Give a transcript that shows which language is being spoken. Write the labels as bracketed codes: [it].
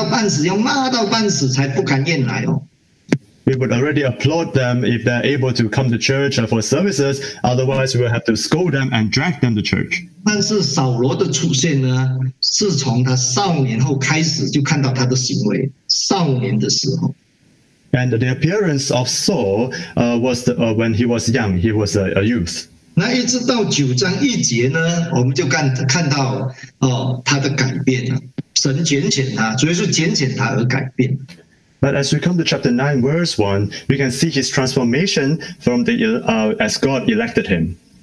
[zh] 偶尔有来聚会都已经很了不起了，你来聚会要讲到半死，要骂到半死才不敢愿来哦。 [en] We would already applaud them if they're able to come to church for services, otherwise we'll have to scold them and drag them to church. [zh] 但是扫罗的出现呢，是从他少年后开始就看到他的行为，少年的时候。 [en] And the appearance of Saul when he was young, he was a youth. [zh] 那一直到九章一节呢，我们就看到他的改变了，神拣选他，主要是拣选他而改变。 [en] But as we come to chapter 9, verse 1, we can see his transformation from the as God elected him.